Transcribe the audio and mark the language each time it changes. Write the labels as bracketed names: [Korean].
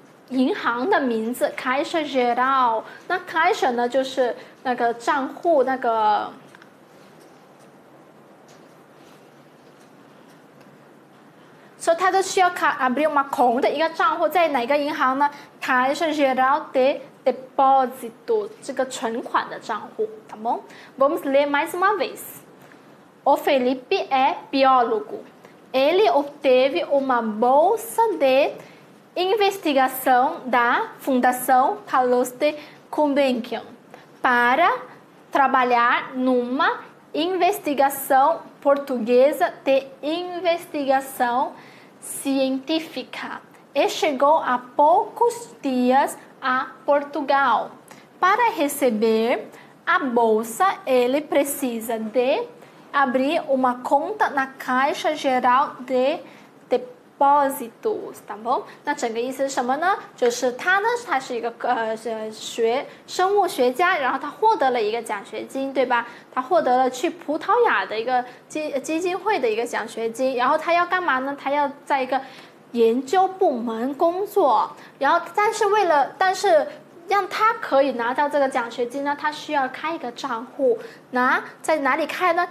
[Chinese] 银行的名字 Caixa Geral 那 Caixa 呢就是那个账户那个所以他都需要 [Portuguese] abrir uma conta [Chinese] 一个账户在哪个银行呢 [Portuguese] Caixa Geral de Depósito [Chinese] 这个存款的账户 [Portuguese] Tá bom? Vamos ler mais uma vez o Felipe é biólogo. Ele obteve uma bolsa de investigação da Fundação Carlos de Gulbenkian para trabalhar numa investigação portuguesa de investigação científica e chegou há poucos dias a Portugal. Para receber a bolsa, ele precisa de abrir uma conta na Caixa Geral de Depósitos, tá bom? [Chinese] 那整个意思是什么呢？就是他呢，他是一个学生物学家，然后他获得了一个奖学金，对吧？他获得了去葡萄牙的一个基金会的一个奖学金，然后他要干嘛呢？他要在一个研究部门工作，然后但是让他可以拿到这个奖学金呢，他需要开一个账户，在哪里开呢？